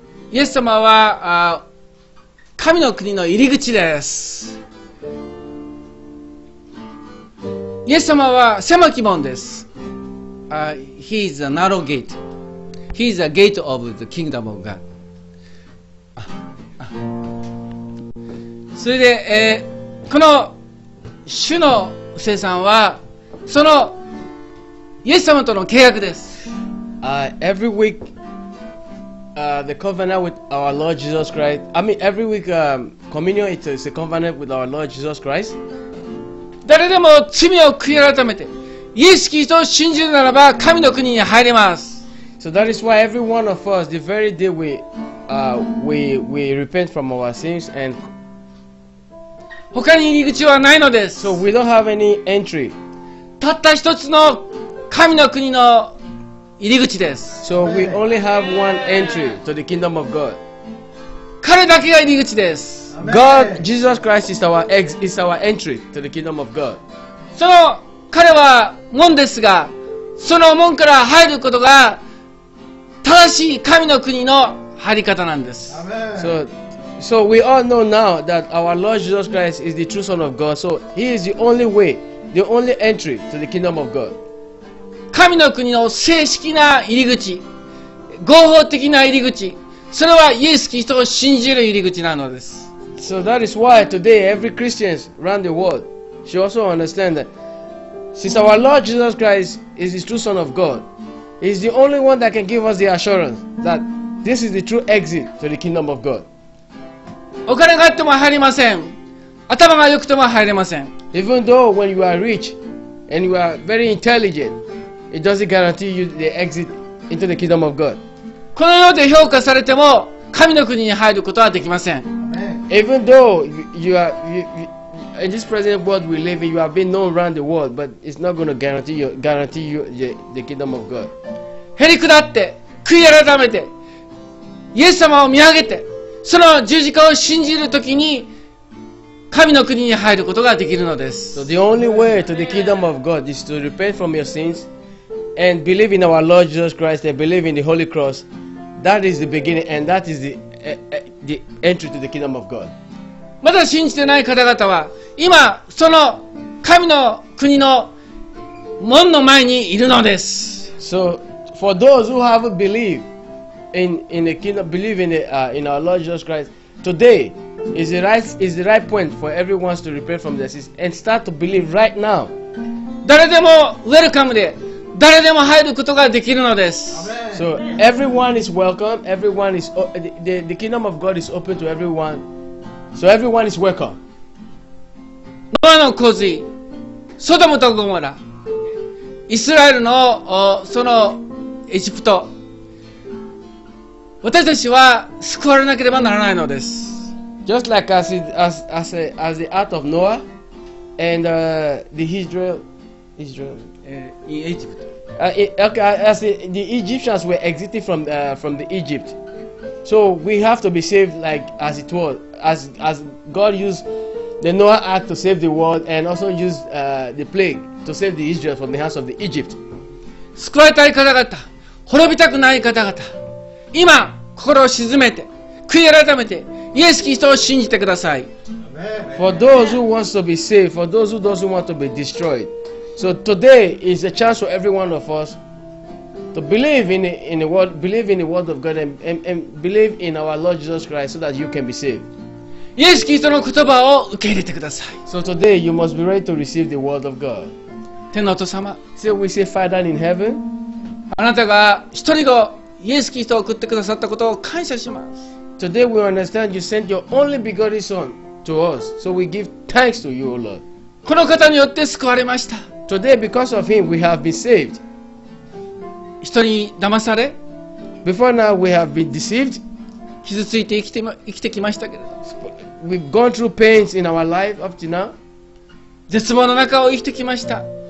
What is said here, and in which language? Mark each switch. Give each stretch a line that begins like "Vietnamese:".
Japanese: イエス様は神の国の入り口です。イエス様は狭き門です。
English: He is a narrow gate. He is a gate of the kingdom of God.
Japanese: それで、この主の聖餐はそのイエス様との契約です。
English: Every weekthe covenant with our Lord Jesus Christ. I mean, every week, communion is a covenant with our Lord Jesus Christ.
Japanese: 誰でも罪を悔い改めて、イエス・キリストを信じるならば、神の国に入れます。
English: So that is why every one of us, the very day we repent from our sins and
Japanese: 他に入り口はないのです。
English: So we don't have any entry.
Japanese: たった一つの神の国の入り口です。
English: So we only have one entry to the kingdom of God.
Japanese: 彼だけが入り口です。
English: God, Jesus Christ is our entry to the kingdom of God.
Japanese: その彼は門ですが、その門から入ることが正しい神の国の入り方なんです。
English: So we all know now that our Lord Jesus Christ is the true Son of God. So he is the only way, the only entry to the kingdom of God.
Japanese: 神の国の正式な入り口、合法的な入り口、それはイエス・キリストを信じる入り口なのです。
English: So that is why today every Christian around the world should also understand that since our Lord Jesus Christ is the true Son of God, he is the only one that can give us the assurance that this is the true exit to the kingdom of God.
Japanese: お金があっても入れません。頭が良くても入れません。
English: Even though when you are rich and you are very intelligent, it doesn't guarantee you the exit into the kingdom of God.
Japanese: この世で評価されても神の国に入ることはできません。
English: Even though you are in this present world we live in, you have been known around the world, but it's not going to guarantee you the kingdom of God.
Japanese: へりくだって、悔い改めて、イエス様を見上げて、その十字架を信じるときに神の国に入ることができるのです。
English: So the only way to the kingdom of God is to repent from your sins and believe in our Lord Jesus Christ and believe in the Holy Cross. That is the beginning and that is the entry to the kingdom of God.
Japanese: まだ信じてない方々は今その神の国の門の前にいるのです。
English: So for those who haven't believed in the kingdom, believe in our Lord Jesus Christ. Today is the right point for everyone to repent from their sins and start to believe right now.
Japanese: 誰でもウェルカムで、誰でも入ることができるのです。
English: So everyone is welcome. Everyone is the kingdom of God is open to everyone. So everyone is welcome.
Japanese: ノアの洪水、ソドムとゴモラ、イスラエルのそのエジプト。私たちは救われなければならないのです。
English: Just like as the ark of Noah and the Israel in Egypt. As the Egyptians were exited from the Egypt, so we have to be saved like as it was as God used the Noah ark to save the world and also used the plague to save the Israel from the hands of the Egypt.
Japanese: 救われたい方々、滅びたくない方々、今。心を静めて、悔い改めて、イエス・キリストを信じてください。
English: For those who wants to be saved, for those who doesn't want to be destroyed. So today is a chance for every one of us to believe in the word of God and believe in our Lord Jesus Christ so that you can be saved.
Japanese: イエス・キリストの言葉を受け入れてください。
English: So today you must be ready to receive the word of God.
Japanese: 天のお父様。
English: So we say Father in heaven.
Japanese: あなたが一人がイエス・キリストを送ってくださったことを感謝します。
English: Today we understand you sent your only begotten son to us. So we give thanks to you, O Lord.
Japanese: この方によって救われました。
English: Today because of him we have been saved.
Japanese: 人に騙され、
English: Before now we have been deceived.
Japanese: 傷ついて生きてきましたけれど、
English: We've gone through pains in our life up to now.
Japanese: 絶望の中を生きてきました。